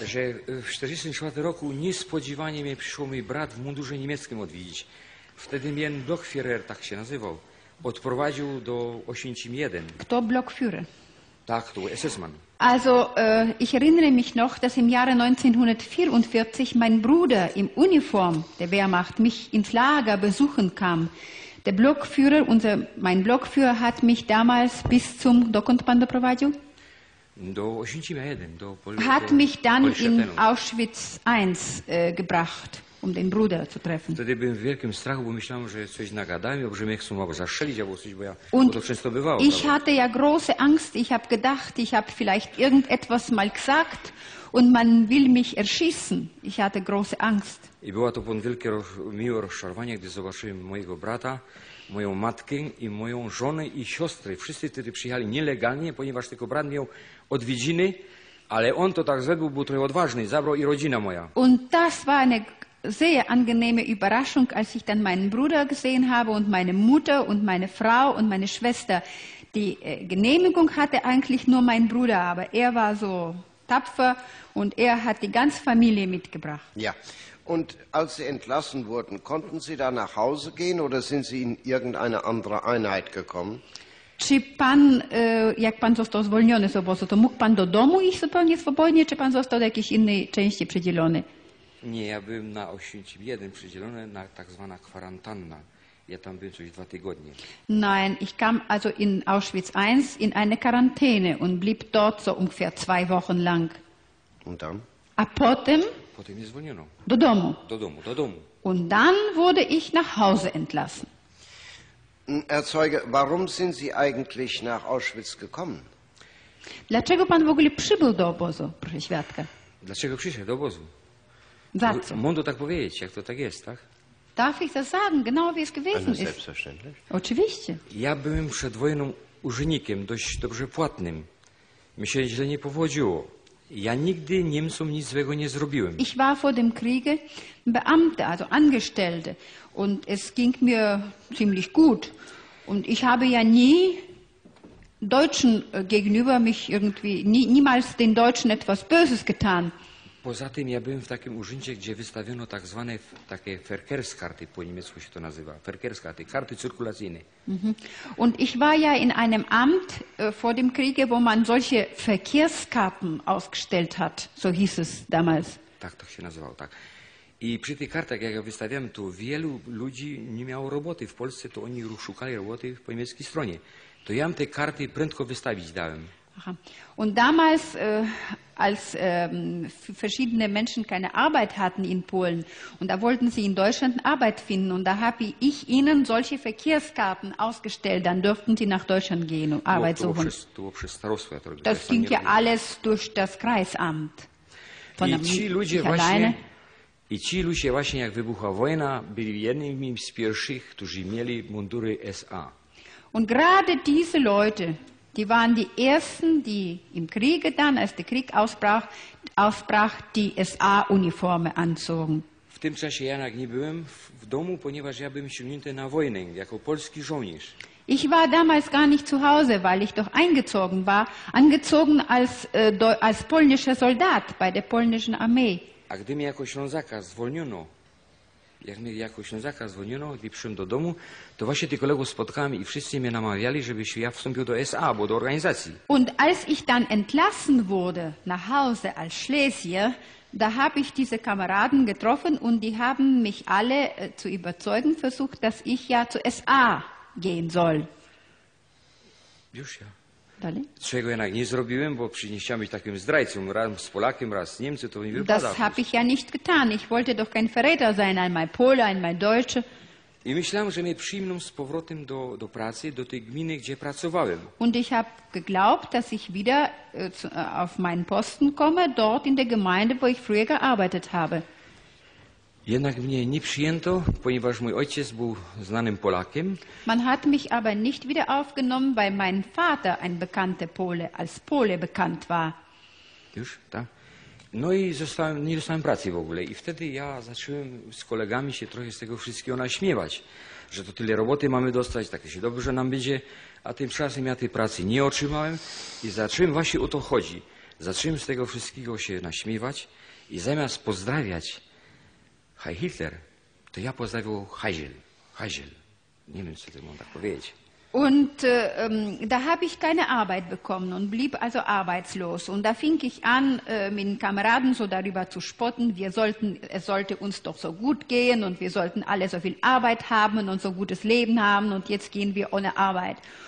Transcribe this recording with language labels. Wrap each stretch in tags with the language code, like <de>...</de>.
<pl>Że w 1944 roku niespodziewanie mnie przyszło mój brat w mundurze niemieckim odwiedzić. Wtedy mnie Blockführer, tak się nazywał, odprowadził do Oświęcim 1. Kto Blockführer? Tak, to SS-man.</pl> <de>Also, ich erinnere mich noch, dass im Jahre 1944 mein Bruder im Uniform der Wehrmacht mich ins Lager besuchen kam. Der Blockführer, unser, mein Blockführer hat mich damals bis zum</de> <pl>Dokądpan doprowadził? Do Oświęcimia 1, do</pl> <de>hat mich dann in Auschwitz 1 gebracht, um den Bruder zu treffen.</de> <pl>Wtedy byłem w wielkim strachu, bo myślałem, że coś nagadałem, bo że mnie chcą mogą zastrzelić, albo coś, bo ja</pl> <de>und</de> <pl>to często bywało.</pl> <de>Ich hatte ja große Angst, ich habe gedacht, ich habe vielleicht irgendetwas mal gesagt und man will mich erschießen. Ich hatte große Angst.</de> <pl>I było to pod wielkie miłe rozczarowanie, gdy zobaczyłem mojego brata, moją matkę i moją żonę i siostry. Wszyscy wtedy przyjechali nielegalnie, ponieważ tylko brat miał odwiedziny, ale on to tak zrobił, był trochę odważny, zabrał i rodzina moja.</pl> <de>Und das war eine sehr angenehme Überraschung, als ich dann meinen Bruder gesehen habe und meine Mutter und meine Frau und meine Schwester. Die Genehmigung hatte eigentlich nur mein Bruder, aber er war so tapfer und er hat die ganze Familie mitgebracht. Ja, und als Sie entlassen wurden, konnten Sie da nach Hause gehen oder sind Sie in irgendeine andere Einheit gekommen?</de> <pl>Czy pan, jak pan został zwolniony z obozu, to mógł pan do domu iść zupełnie swobodnie, czy pan został do jakiejś innej części przydzielony? Nie, ja byłem na Oświęcim 1 przydzielony, na tak zwana kwarantanna. Ja tam byłem coś dwa tygodnie.</pl> <de>Nein, ich kam also in Auschwitz 1 in eine Quarantäne und blieb dort so ungefähr zwei Wochen lang. Und dann?</de> <pl>A potem? Potem mnie zwolniono. Do domu? Do domu, do domu.</pl> <de>Und dann wurde ich nach Hause entlassen. Herr Zeuge, warum sind Sie eigentlich nach Auschwitz gekommen?</de> <pl>Dlaczego pan w ogóle przybył do obozu, proszę świadka? Dlaczego przyszedł do obozu? Za co? Mądro tak powiedzieć, jak to tak jest, tak?</pl> <de>Darf ich das sagen, genau wie es gewesen ist?</de> <pl>Oczywiście. Ja byłem przed wojną urzędnikiem, dość dobrze płatnym. Mi się źle nie powodziło. Ja nigdy Niemcom nic złego nie zrobiłem.</pl> <de>Ich war vor dem Kriege Beamte, also Angestellte. Und es ging mir ziemlich gut. Und ich habe ja nie Deutschen gegenüber mich irgendwie, niemals den Deutschen etwas Böses getan.</de> <pl>Poza tym ja byłem w takim urzędzie, gdzie wystawiono tak zwane takie Verkehrskarty, po niemiecku się to nazywa, Verkehrskarty, karty cyrkulacyjne.</pl> <de>Und ich war ja in einem Amt vor dem Kriege, wo man solche Verkehrskarten ausgestellt hat, so hieß es damals.</de> <pl>Tak to się nazywało, tak. I przy tych kartach, jak ja wystawiałem, to wielu ludzi nie miało roboty w Polsce, to oni szukali roboty po niemieckiej stronie. To ja im te karty prędko wystawić dałem. Aha.</pl> <de>Und damals, als verschiedene Menschen keine Arbeit hatten in Polen und da wollten sie in Deutschland Arbeit finden und da habe ich ihnen solche Verkehrskarten ausgestellt, dann dürften sie nach Deutschland gehen und Arbeit suchen. Das ging ja alles durch das Kreisamt. Von der alleine.</de> <pl>I ci ludzie właśnie, jak wybuchła wojna, byli jednymi z pierwszych, którzy mieli mundury SA.</pl> <de>Und gerade diese Leute, die waren die ersten, die im Kriege dann, als der Krieg ausbrach, die SA-Uniforme anzogen.</de> <pl>W tym czasie ja nie byłem w domu, ponieważ ja byłem ściągnięty na wojnę, jako polski żołnierz.</pl> <de>Ich war damals gar nicht zu Hause, weil ich doch eingezogen war, angezogen als, als polnischer Soldat bei der polnischen Armee.</de> <pl>A gdy mnie jako Ślązaka zwolniono, jak mnie jako Ślązaka zwolniono, gdy przyszedłem do domu, to właśnie tych kolegów spotkałem i wszyscy mnie namawiali, żeby się ja wstąpił do SA, bo do organizacji.</pl> <de>Und als ich dann entlassen wurde nach Hause als Schlesier, da habe ich diese Kameraden getroffen und die haben mich alle zu überzeugen versucht, dass ich ja zu SA gehen soll.</de> <pl>Już ja. Czego jednak nie zrobiłem, bo nie chciałem być takim zdrajcą, raz z Polakiem, raz z Niemcem, to mi wypada.</pl> <de>Das habe ich ja nicht getan. Ich wollte doch kein Verräter sein, einmal Pole, einmal Deutsche.</de> <pl>I myślałem, że mnie przyjmą z powrotem do pracy, do tej gminy, gdzie pracowałem.</pl> <de>Und ich habe geglaubt, dass ich wieder auf meinen Posten komme, dort in der Gemeinde, wo ich früher gearbeitet habe.</de> <pl>Jednak mnie nie przyjęto, ponieważ mój ojciec był znanym Polakiem.</pl> <de>Man hat mich aber nicht wieder aufgenommen, weil mein Vater ein bekannter Pole, als Pole bekannt war.</de> <pl>Już, tak. No i zostałem, nie dostałem pracy w ogóle. I wtedy ja zacząłem z kolegami się trochę z tego wszystkiego naśmiewać, że to tyle roboty mamy dostać, tak się dobrze nam będzie, a tymczasem ja tej pracy nie otrzymałem i zacząłem właśnie o to chodzi. Zacząłem z tego wszystkiego się naśmiewać i zamiast pozdrawiać Heil Hitler, to ja pozdrawiał Heisel. Nie wiem, co to mam tak powiedzieć.</pl> <de>Und da habe ich keine Arbeit bekommen und blieb also arbeitslos. Und da fing ich an, mit den Kameraden so darüber zu spotten, es sollte uns doch so gut gehen und wir sollten alle so viel Arbeit haben und so gutes Leben haben und jetzt gehen wir ohne Arbeit.</de>